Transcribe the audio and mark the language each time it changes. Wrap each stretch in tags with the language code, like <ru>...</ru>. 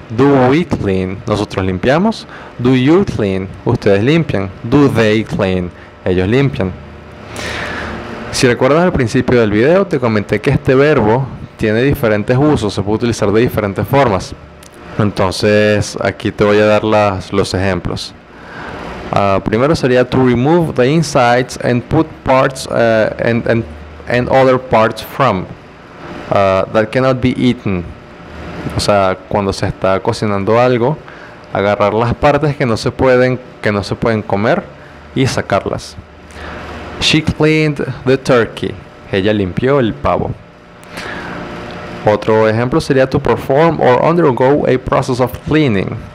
<en>Do we clean?</en> <es>Nosotros limpiamos.</es> <en>Do you clean?</en> <es>Ustedes limpian.</es> <en>Do they clean?</en> <es>Ellos limpian. Si recuerdas al principio del video, te comenté que este verbo tiene diferentes usos, se puede utilizar de diferentes formas. Entonces, aquí te voy a dar los ejemplos. Primero sería</es> <en>to remove the insides and put parts and other parts from that cannot be eaten.</en> <es>O sea, cuando se está cocinando algo, agarrar las partes que no se pueden comer y sacarlas.</es> <en>She cleaned the turkey.</en> <es>Ella limpió el pavo. Otro ejemplo sería</es> <en>to perform or undergo a process of cleaning.</en>